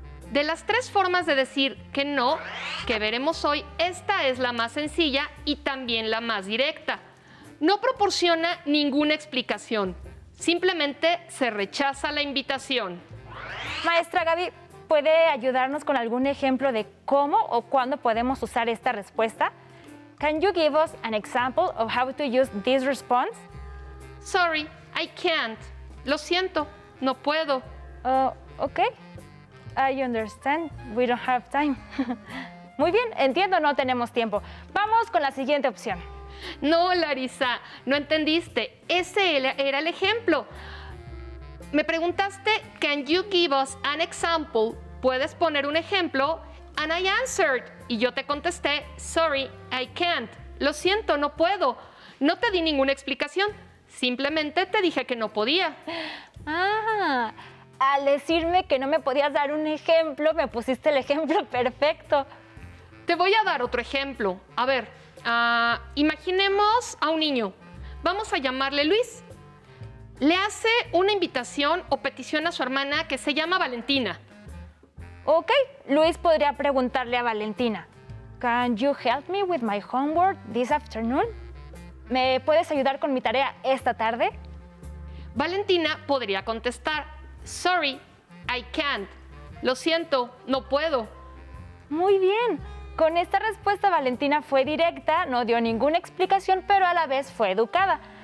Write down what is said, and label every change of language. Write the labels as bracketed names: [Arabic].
[Spanish] De las tres formas de decir que no que veremos hoy, esta es la más sencilla y también la más directa. No proporciona ninguna explicación. Simplemente se rechaza la invitación. Maestra Gaby, ¿puede ayudarnos con algún ejemplo de cómo o cuándo podemos usar esta respuesta? [English] Can you give us an example of how to use this response? Sorry, I can't. [Spanish] Lo siento, no puedo. [English] Okay. I understand. We don't have time. [Spanish] Muy bien, entiendo, no tenemos tiempo. Vamos con la siguiente opción. No, Larisa, no entendiste. Ese era el ejemplo. Me preguntaste, [English] can you give us an example? [Spanish] ¿Puedes poner un ejemplo? [English] And I answered. [Spanish] Y yo te contesté, [English] sorry, I can't. [Spanish] Lo siento, no puedo. No te di ninguna explicación. Simplemente te dije que no podía. Ah, al decirme que no me podías dar un ejemplo, me pusiste el ejemplo perfecto. Te voy a dar otro ejemplo. A ver. Imaginemos a un niño. Vamos a llamarle Luis. Le hace una invitación o petición a su hermana que se llama Valentina. Ok, Luis podría preguntarle a Valentina. [English] Can you help me with my homework this afternoon? [Spanish] ¿Me puedes ayudar con mi tarea esta tarde? [English] Valentina [Spanish] podría contestar, [English] sorry, I can't. [Spanish] Lo siento, no puedo. Muy bien. Con esta respuesta, Valentina fue directa, no dio ninguna explicación, pero a la vez fue educada.